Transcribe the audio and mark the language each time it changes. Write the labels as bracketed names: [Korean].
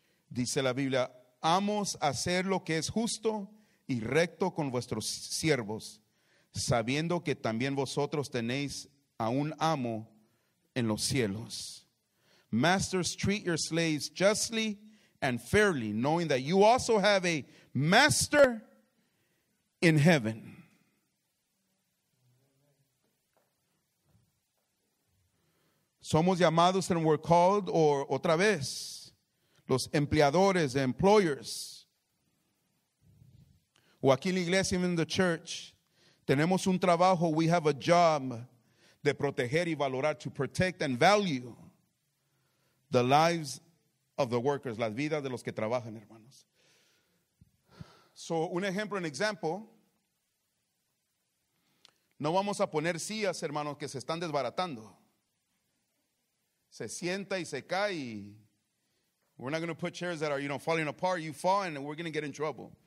[Spanish] Dice la Biblia, amos hacer lo que es justo y recto con vuestros siervos, sabiendo que también vosotros tenéis a un amo en los cielos. [English] Masters, treat your slaves justly and fairly, knowing that you also have a master in heaven. [Spanish] Somos llamados, [English] and we're called, or [Spanish] otra vez, los empleadores, [English] the employers. [Spanish] O aquí en la iglesia, [English] even in the church, [Spanish] tenemos un trabajo, [English] we have a job [Spanish] de proteger y valorar, [English] to protect and value the lives of the workers, [Spanish] las vidas de los que trabajan, hermanos. So, un ejemplo, [English] an example. [Spanish] No vamos a poner sillas, hermanos, que se están desbaratando. Se sienta y se cae. [English] Y we're not going to put chairs that are, you know, falling apart. You fall and we're going to get in trouble.